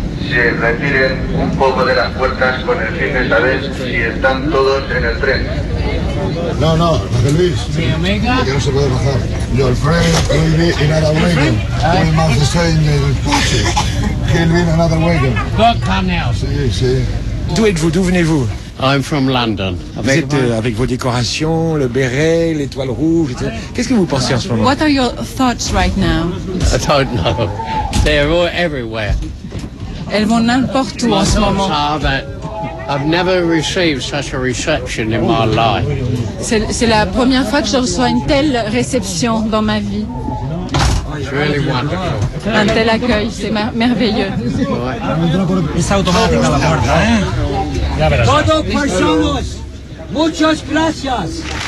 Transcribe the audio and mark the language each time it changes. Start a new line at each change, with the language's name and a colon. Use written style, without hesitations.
Spanish: Se retiren un poco de las puertas con el fin de saber si están todos en el tren. No, no, José Luis. Mi amiga. Que no se puede bajar. Yo, el Fred, no vive en otro wagon. Voy más de 6 en el coche. Que él viene en otro wagon.
English: Don't come now.
Spanish: Sí, sí.
French: D'où êtes-vous? D'où venez-vous?
English: I'm from London.
French: Vous êtes avec vos décorations, le béret, l'étoile rouge, etc. Qu'est-ce que vous pensez en ce moment?
English: What are your thoughts right now? I don't know. They're all everywhere.
French: Elles vont n'importe où en ce moment.
English: I've never received such a reception in my life.
French: C'est la première fois que je reçois une telle réception dans ma vie.
English: It's really wonderful.
French: Un tel accueil, c'est merveilleux. C'est automatique à la porte, hein?
Spanish: Todos personas, muchas gracias.